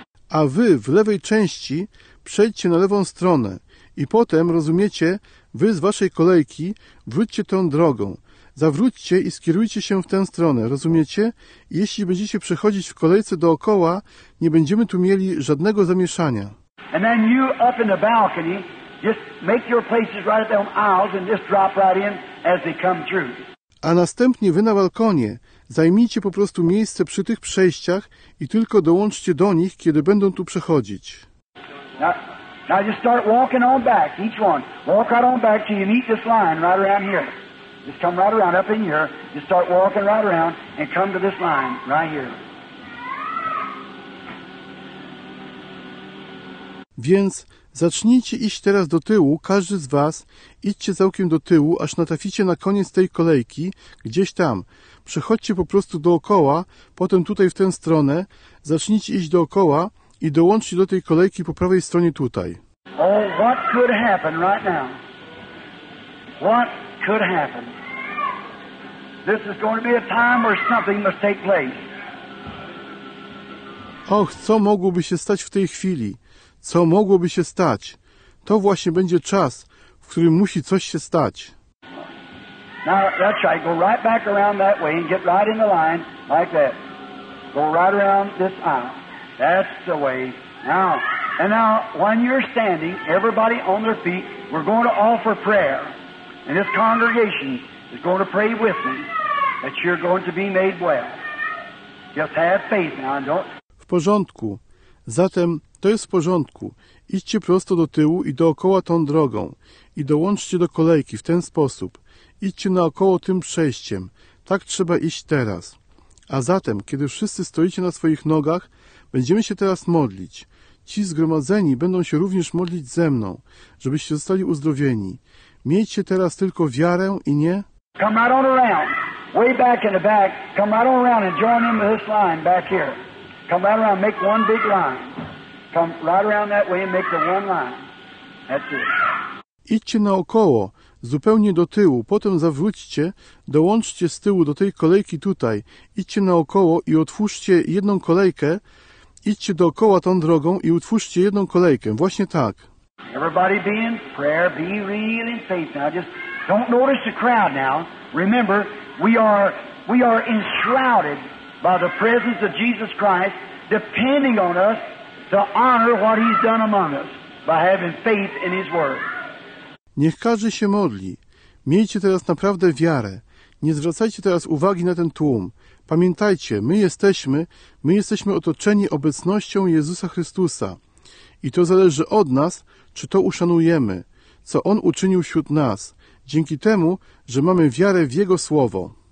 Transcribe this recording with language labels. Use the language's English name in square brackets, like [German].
[Polish] A wy w lewej części przejdźcie na lewą stronę i potem, rozumiecie, wy z waszej kolejki wróćcie tą drogą. Zawróćcie i skierujcie się w tę stronę, rozumiecie? Jeśli będziecie przechodzić w kolejce dookoła, nie będziemy tu mieli żadnego zamieszania. [English] And then you up in the balcony, just make your places right at them aisles and just drop right in as they come through. [Polish] A następnie wy na balkonie zajmijcie po prostu miejsce przy tych przejściach i tylko dołączcie do nich, kiedy będą tu przechodzić. [English] Now just start walking on back, each one. Walk right on back till you meet this line right around here. Just come right around, up in here. Just start walking right around and come to this line right here. [Polish] Więc zacznijcie iść teraz do tyłu, każdy z was, idźcie całkiem do tyłu, aż natraficie na koniec tej kolejki, gdzieś tam. Przechodźcie po prostu dookoła, potem tutaj w tę stronę, zacznijcie iść dookoła i dołączcie do tej kolejki po prawej stronie tutaj. [English] Oh, what could happen right now? What could happen? This is going to be a time where something must take place. [Polish] Och, co mogłoby się stać w tej chwili? Co mogłoby się stać? To właśnie będzie czas, w którym musi coś się stać. [English] Now, that's right. Go right back around that way and get right in the line, like that. Go right around this aisle. That's the way. Now, and now, when you're standing, everybody on their feet, we're going to offer prayer. And this congregation is going to pray with me that you're going to be made well. Just have faith now, and don't... [Polish] W porządku. Zatem... To jest w porządku. Idźcie prosto do tyłu i dookoła tą drogą. I dołączcie do kolejki w ten sposób. Idźcie naokoło tym przejściem. Tak trzeba iść teraz. A zatem, kiedy wszyscy stoicie na swoich nogach, będziemy się teraz modlić. Ci zgromadzeni będą się również modlić ze mną, żebyście zostali uzdrowieni. Miejcie teraz tylko wiarę i nie... [English] Come right on around. way back in the back, come right on around and join in with this line back here. Come right around, make one big line. Come right around that way and make the one line. That's it. [Polish] Idźcie naokoło, zupełnie do tyłu, potem zawróćcie, dołączcie z tyłu do tej kolejki tutaj. Idźcie naokoło i otwórzcie jedną kolejkę. Idźcie dookoła tą drogą i utwórzcie jedną kolejkę. Właśnie tak. [English] Everybody be in prayer, be real in faith now. Just don't notice the crowd now. Remember, we are enshrouded by the presence of Jesus Christ, depending on us to honor what he's done among us by having faith in his word. [Polish] Niech każdy się modli. Miejcie teraz naprawdę wiarę. Nie zwracajcie teraz uwagi na ten tłum. Pamiętajcie, my jesteśmy otoczeni obecnością Jezusa Chrystusa. I to zależy od nas, czy to uszanujemy, co On uczynił wśród nas, dzięki temu, że mamy wiarę w Jego Słowo.